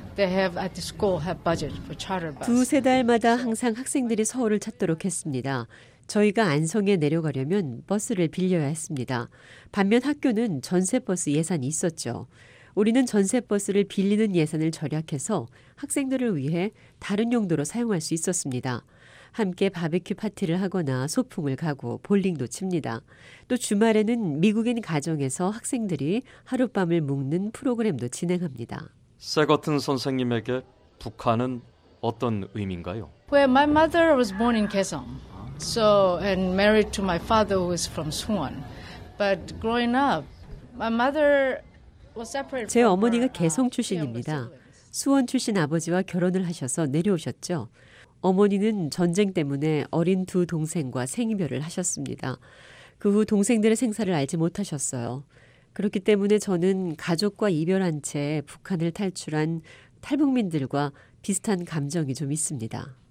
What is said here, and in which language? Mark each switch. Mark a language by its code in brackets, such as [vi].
[en] They have at the school have budget for charter bus. [ko] 두세 달마다 항상 학생들이 서울을 찾도록 했습니다. 저희가 안성에 내려가려면 버스를 빌려야 했습니다. 반면 학교는 전세 버스 예산이 있었죠. 우리는 전세 버스를 빌리는 예산을 절약해서 학생들을 위해 다른 용도로 사용할 수 있었습니다. 함께 바베큐 파티를 하거나 소풍을 가고 볼링도 칩니다. 또 주말에는 미국인 가정에서 학생들이 하룻밤을 묵는 프로그램도 진행합니다. 세거튼 선생님에게 북한은 어떤 의미인가요? [en] Well, my mother was born in Kaesong. So and married to my father who is from Suwon. But growing up, my mother was separated. [ko] 제 어머니가 개성 출신입니다. 수원 출신 아버지와 결혼을 하셔서 내려오셨죠. 어머니는 전쟁 때문에 어린 두 동생과 생이별을 하셨습니다. 그 후 동생들의 생사를 알지 못하셨어요. 그렇기 때문에 저는 가족과 이별한 채 북한을 탈출한 탈북민들과 비슷한 감정이 좀 있습니다.